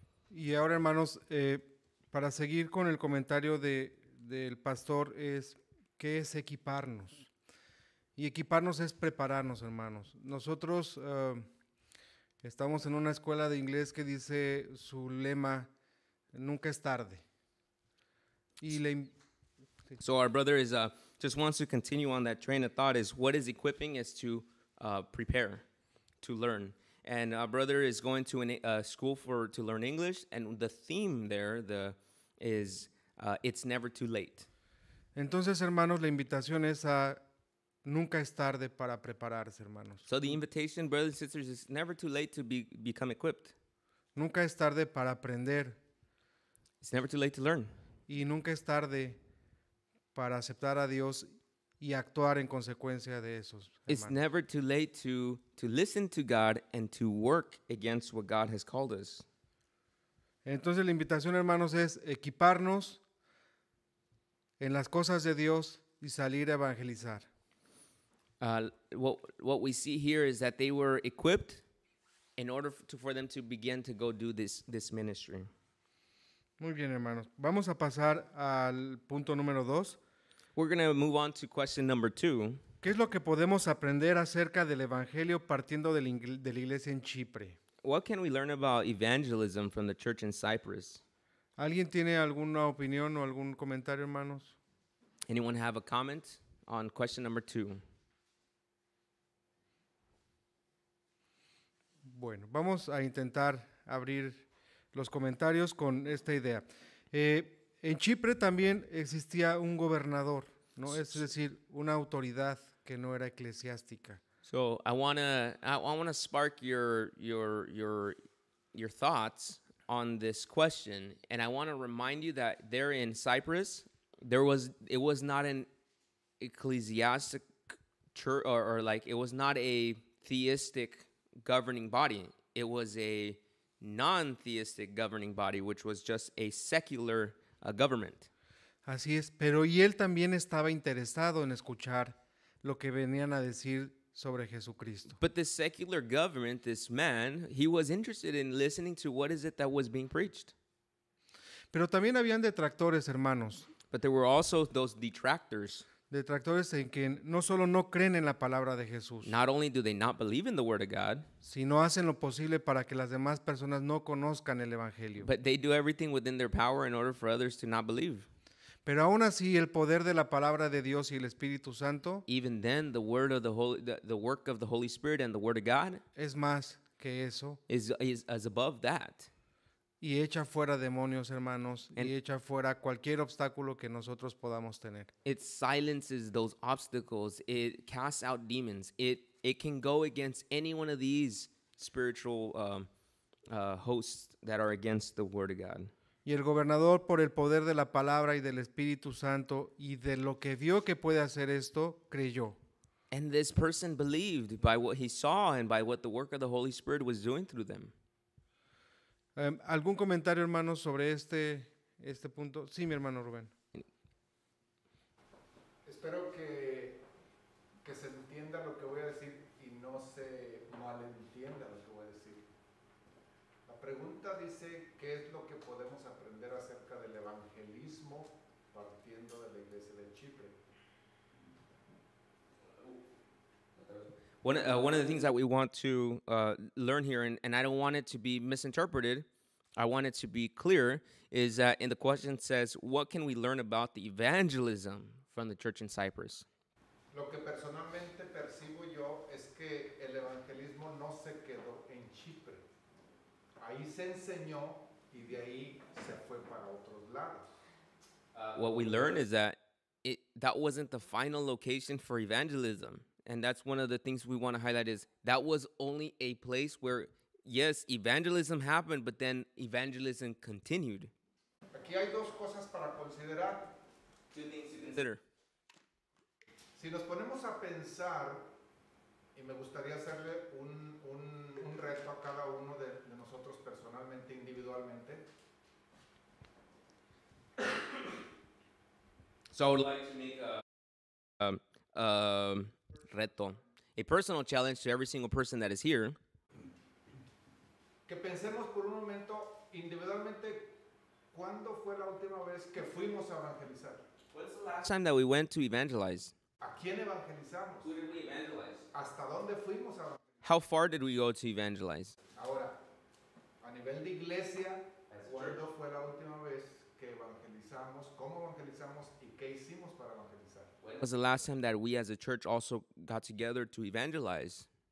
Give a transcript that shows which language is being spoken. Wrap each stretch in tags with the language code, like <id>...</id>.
<es>Y ahora, hermanos, para seguir con el comentario del pastor, ¿qué es equiparnos? Y equiparnos es prepararnos, hermanos. Nosotros estamos en una escuela de inglés que dice su lema, nunca es tarde.</es> <en>So our brother just wants to continue on that train of thought, is what is equipping is to prepare, to learn. And our brother is going to a school to learn English, and the theme there is it's never too late.</en> <es>Entonces, hermanos, la invitación es a nunca es tarde para prepararse, hermanos.</es> <en>So the invitation, brothers and sisters, is never too late to become equipped.</en> <es>Nunca es tarde para aprender.</es> <en>It's never too late to learn.</en> <es>Y nunca es tarde para aceptar a Dios y actuar en consecuencia de esos, hermanos.</es> <en>It's never too late to listen to God and to work against what God has called us.</en> <es>Entonces la invitación, hermanos, es equiparnos en las cosas de Dios y salir a evangelizar.</es> <en>What we see here is that they were equipped in order for them to begin to go do this ministry.</en> <es>Muy bien, hermanos. Vamos a pasar al punto número dos.</es> <en>We're going to move on to question number two.</en> <es>¿Qué es lo que podemos aprender acerca del evangelio partiendo de la iglesia en Chipre?</es> <en>What can we learn about evangelism from the church in Cyprus?</en> <es>¿Alguien tiene alguna opinión o algún comentario, hermanos?</es> <en>Anyone have a comment on question number two?</en> <es>Bueno, vamos a intentar abrir los comentarios con esta idea. En Chipre también existía un gobernador, ¿no? Es decir, una autoridad que no era eclesiástica.</es> <en>So I want to spark your thoughts on this question, and I want to remind you that there in Cyprus it was not an ecclesiastic church or it was not a theistic governing body. It was a non-theistic governing body, which was just a secular government.</en> <es>Así es, pero y él también estaba interesado en escuchar lo que venían a decir sobre Jesucristo.</es> <en>But the secular government, this man, he was interested in listening to what is it that was being preached.</en> <es>Pero también habían detractores, hermanos.</es> <en>But there were also those detractors.</en> <es>Detractores en quien no solo no creen en la palabra de Jesús.</es> <en>Not only do they not believe in the word of God.</en> <es>Sino hacen lo posible para que las demás personas no conozcan el evangelio.</es> <en>But they do everything within their power in order for others to not believe.</en> <es>Pero aún así el poder de la palabra de Dios y el Espíritu Santo.</es> <en>Even then the word of the Holy, the work of the Holy Spirit and the word of God.</en> <es>Es más que eso.</es> <en>Is above that.</en> <es>Y echa fuera demonios, hermanos, and y echa fuera cualquier obstáculo que nosotros podamos tener.</es> <en>It silences those obstacles. It casts out demons. It can go against any one of these spiritual hosts that are against the word of God.</en> <es>Y el gobernador, por el poder de la palabra y del Espíritu Santo y de lo que vio que puede hacer esto, creyó.</es> <en>And this person believed by what he saw and by what the work of the Holy Spirit was doing through them.</en> <es>¿Algún comentario, hermanos, sobre este punto? Sí, mi hermano Rubén. Espero que se entienda lo que voy a decir y no se malentienda lo que voy a decir. La pregunta dice, ¿qué es lo que podemos aprender acerca del evangelismo partiendo de la iglesia de Chipre?</es> <en>One of the things that we want to learn here, and I don't want it to be misinterpreted, I want it to be clear, is that in the question says, what can we learn about the evangelism from the church in Cyprus?</en> <es>Lo que personalmente percibo yo es que el evangelismo no se quedó en Chipre. Ahí se enseñó y de ahí se fue para otros lados.</es> <en>What we learn is that that wasn't the final location for evangelism. And that's one of the things we want to highlight is that was only a place where, yes, evangelism happened, but then evangelism continued.</en> <es>Aquí hay dos cosas para considerar.</es> <en>Two things to consider.</en> <es>Si nos ponemos a pensar, y me gustaría hacerle un reto a cada uno de nosotros personalmente, individualmente.</es> <en>So I would like to make reto, a personal challenge to every single person that is here.</en> <es>Que pensemos por un momento individualmente, ¿cuándo fue la última vez que fuimos a evangelizar?</es> <en>When's the last time that we went to evangelize?</en> <es>¿A quién evangelizamos?</es> <en>Who did we evangelize?</en> <es>¿Hasta dónde fuimos a evangelizar?</es> <en>How far did we go to evangelize?</en> <es>Ahora, a nivel de iglesia, ¿cuándo fue la última vez que evangelizamos? ¿Cómo evangelizamos y qué hicimos para evangelizar?</es> <en>When was the last time that we as a church also got together to evangelize?</en>